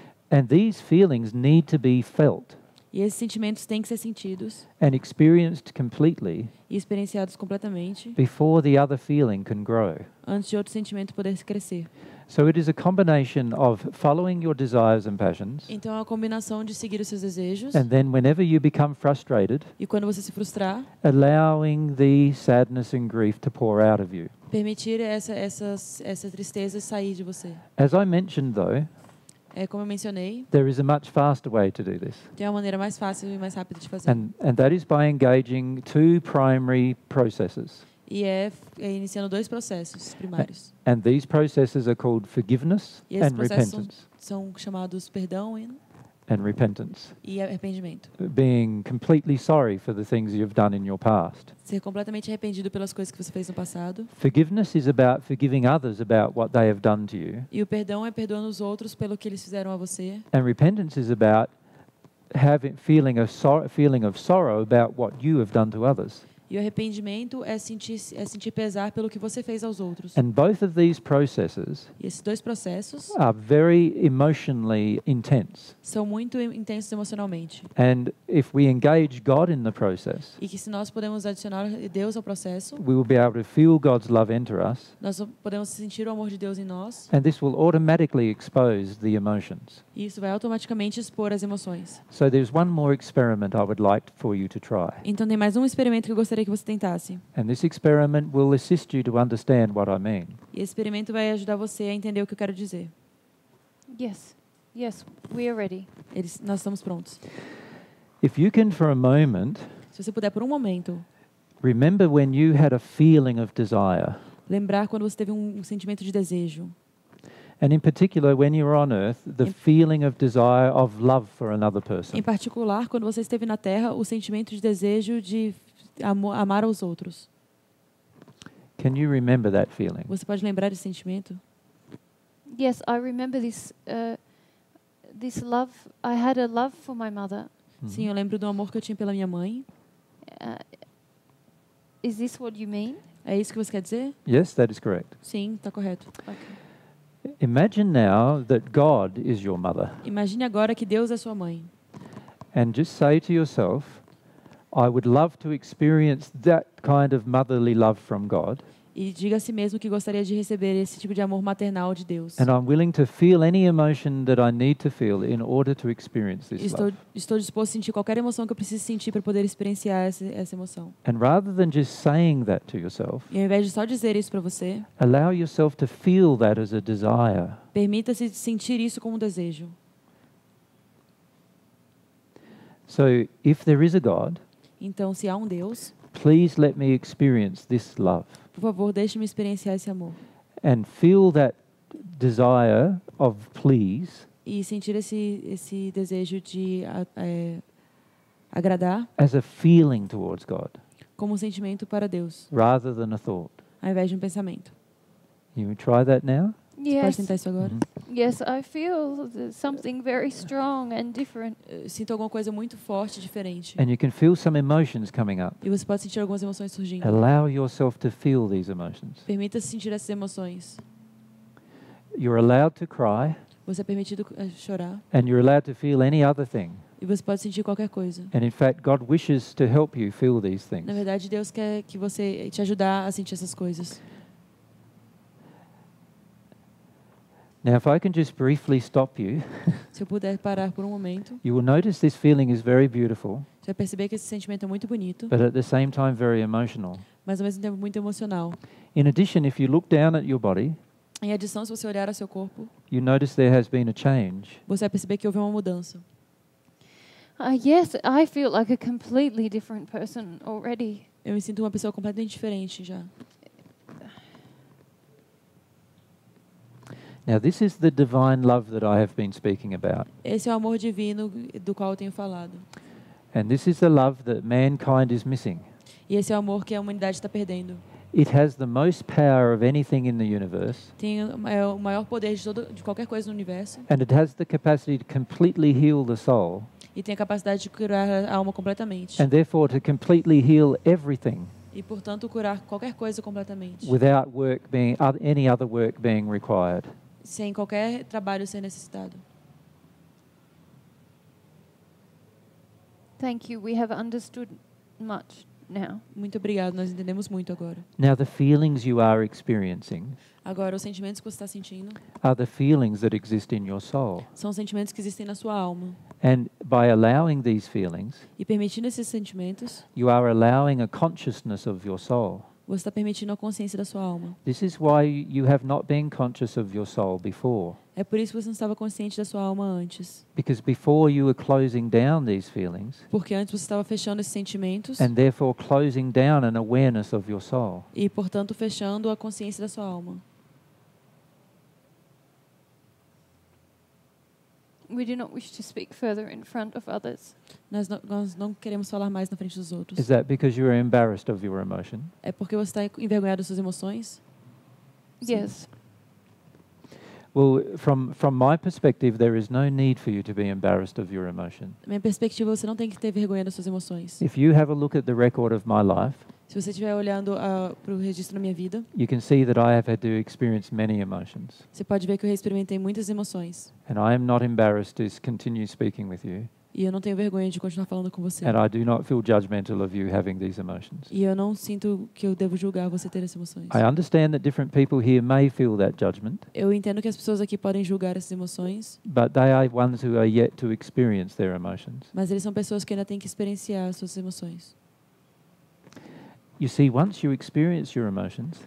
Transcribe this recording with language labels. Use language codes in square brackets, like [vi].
[en] And these feelings need to be felt. [pt] E esses sentimentos têm que ser sentidos [en] and experienced completely [pt] e experienciados completamente [en] before the other feeling can grow. [pt] Antes de outro sentimento poder crescer. [en] So it is a combination of following your desires and passions. [pt] Então é uma combinação de seguir os seus desejos. [en] And then whenever you become frustrated, [pt] e quando você se frustrar, [en] allowing the sadness and grief to pour out of you. [pt] Permitir essa tristeza sair de você. [en] As I mentioned though, [pt] como eu mencionei, [en] there is a much faster way to do this. [pt] Tem uma maneira mais fácil e mais rápida de fazer. [en] And that is by engaging two primary processes. [pt] E é iniciando dois processos primários. [en] And these processes are called forgiveness [pt] e esses [en] and repentance. [pt] São chamados perdão e [en] And repentance. [pt] E arrependimento. [en] Being completely sorry for the things you've done in your past. [pt] Ser completamente arrependido pelas coisas que você fez no passado. [en] Forgiveness is about forgiving others about what they have done to you. [pt] E o perdão é perdoando os outros pelo que eles fizeram a você. [en] And repentance is about having feeling of sorrow about what you have done to others. [pt] E o arrependimento é sentir pesar pelo que você fez aos outros. [en] And both of these processes, [pt] e esses dois processos [en] are very emotionally intense. [pt] São muito intensos emocionalmente. [en] And if we engage God in the process, [pt] e que se nós podemos adicionar Deus ao processo, [en] we will be able to feel God's love enter us, [pt] nós podemos sentir o amor de Deus em nós. [en] And this will automatically expose the emotions. [pt] E isso vai automaticamente expor as emoções. [en] So there's one more experiment I would like for you to try. [pt] Então tem mais um experimento que eu gostaria que você tentasse. [en] And this experiment will assist you to understand what I mean. [pt] E esse experimento vai ajudar você a entender o que eu quero dizer. [en] Yes. Yes, we are ready. [pt] Nós estamos prontos. [en] If you can for a moment, [pt] se você puder por um momento, [en] remember when you had a feeling of desire. [pt] Lembrar quando você teve um sentimento de desejo. [en] And in particular when you were on earth, the feeling of desire of love for another person. [pt] Em particular quando você esteve na terra, o sentimento de desejo de amar aos outros. [en] Can you remember that feeling? [pt] Você pode lembrar esse sentimento? [en] Yes, I remember this love. I had a love for my mother. [pt] Sim, eu lembro do amor que eu tinha pela minha mãe. [en] Is this what you mean? [pt] É isso que você quer dizer? [en] Yes, that is correct. [pt] Sim, está correto. Okay. [en] Imagine now that God is your mother. [pt] Imagine agora que Deus é sua mãe. [en] And just say to yourself, I would love to experience that kind of motherly love from God. [pt] E diga a si mesmo que gostaria de receber esse tipo de amor maternal de Deus. [en] And I'm willing to feel any emotion that I need to feel in order to experience this love. [pt] Estou disposto a sentir qualquer emoção que eu precise sentir para poder experienciar essa emoção. [en] And rather than just saying that to yourself, [pt] e ao invés de só dizer isso para você, [en] allow yourself to feel that as a desire. [pt] Permita-se sentir isso como um desejo. [en] So, if there is a God, [pt] então, se há um Deus, [en] please let me experience this love. [pt] Por favor, deixe-me experienciar esse amor. [en] And feel that desire of please. [pt] E sentir esse desejo de agradar. [en] As a feeling towards God. [pt] Como um sentimento para Deus. [en] Rather than a thought. [pt] Ao invés de um pensamento. [en] You can try that now? Yes. [pt] Você pode tentar isso agora? [en] Yes, I feel something very strong and different. [pt] Sinto alguma coisa muito forte e diferente. [en] And you can feel some emotions coming up. [pt] E você pode sentir algumas emoções surgindo. [en] Allow yourself to feel these emotions. [pt] Permita-se sentir essas emoções. [en] You're allowed to cry. [pt] Você é permitido chorar. [en] And you're allowed to feel any other thing. [pt] E você pode sentir qualquer coisa. [en] And in fact, God wishes to help you feel these things. [pt] Na verdade, Deus quer que você te ajudar a sentir essas coisas. [en] Now, if I can just briefly stop you, [pt] se eu puder parar por um momento, [en] you will notice this feeling is very beautiful, [pt] você vai perceber que esse sentimento é muito bonito, [en] but at the same time very emotional. [pt] Mas ao mesmo tempo muito emocional. [en] In addition, if you look down at your body, [pt] em adição, se você olhar ao seu corpo, [en] you notice there has been a change. [pt] Você vai perceber que houve uma mudança. [en] Yes, I feel like a completely different person already. [pt] Eu me sinto uma pessoa completamente diferente já. [en] Now this is the divine love that I have been speaking about. [pt] Esse é o amor divino do qual eu tenho falado. [en] And this is the love that mankind is missing. [pt] E esse é o amor que a humanidade está perdendo. [en] It has the most power of anything in the universe. [pt] Tem o maior poder de qualquer coisa no universo. [en] And it has the capacity to completely heal the soul. [pt] E tem a capacidade de curar a alma completamente. [en] And therefore to completely heal everything. [pt] E portanto curar qualquer coisa completamente. [en] Without work being any other work being required. [pt] Sem qualquer trabalho ser necessitado. [en] Thank you. We have understood much now. [pt] Muito obrigado. Nós entendemos muito agora. [en] Now the feelings you are experiencing. [pt] Agora os sentimentos que você está sentindo. [en] Are the feelings that exist in your soul. [pt] São os sentimentos que existem na sua alma. [en] And by allowing these feelings. [pt] E permitindo esses sentimentos. [en] You are allowing a consciousness of your soul. [pt] Você está permitindo a consciência da sua alma. [en] This is why you have not been conscious of your soul before. [pt] É por isso que você não estava consciente da sua alma antes. [en] Because before you were closing down these feelings. [pt] Porque antes você estava fechando esses sentimentos. [en] And therefore closing down an awareness of your soul. [pt] E portanto fechando a consciência da sua alma. [en] we do not wish to speak further in front of others. [pt] Nós não queremos falar mais na frente dos outros. [en] Is that because you are embarrassed of your emotion? [pt] É porque você está envergonhado das suas emoções? [en] Yes. [pt] Sim. [en] Well, from my perspective, there is no need for you to be embarrassed of your emotion. [pt] Da minha perspectiva, você não tem que ter vergonha das suas emoções. [en] If you have a look at the record of my life, [pt] se você estiver olhando para o registro da minha vida, [en] you can see that I have had to experience many emotions. [pt] Você pode ver que eu experimentei muitas emoções. [en] And I am not embarrassed to continue speaking with you. [pt] E eu não tenho vergonha de continuar falando com você. [en] And I do not feel judgmental of you having these emotions. [pt] E eu não sinto que eu devo julgar você ter essas emoções. [en] I understand that different people here may feel that judgment. [pt] Eu entendo que as pessoas aqui podem julgar essas emoções. [en] But they are ones who are yet to experience their emotions. [pt] Mas eles são pessoas que ainda têm que experienciar as suas emoções. [en] You see, once you experience your emotions,